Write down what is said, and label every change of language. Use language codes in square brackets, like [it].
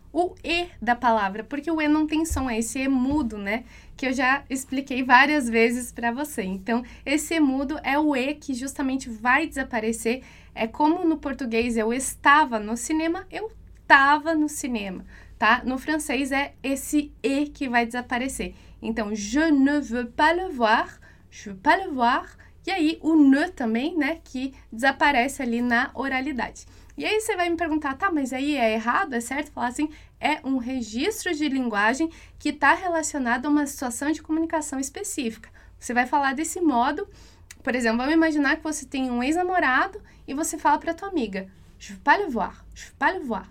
[pt] o E da palavra, porque o E não tem som, é esse E mudo, né? Que eu já expliquei várias vezes para você. Então, esse E mudo é o E que justamente vai desaparecer. É como no português eu estava no cinema, eu tava no cinema, tá? No francês é esse E que vai desaparecer. Então, [fr] je ne veux pas le voir, je veux pas le voir. [pt] E aí, o ne também, né, que desaparece ali na oralidade. E aí, você vai me perguntar, tá, mas aí é errado, é certo? Falar assim, é um registro de linguagem que está relacionado a uma situação de comunicação específica. Você vai falar desse modo, por exemplo, vamos imaginar que você tem um ex-namorado e você fala para tua amiga, [fr] je veux pas le voir, je veux pas le voir.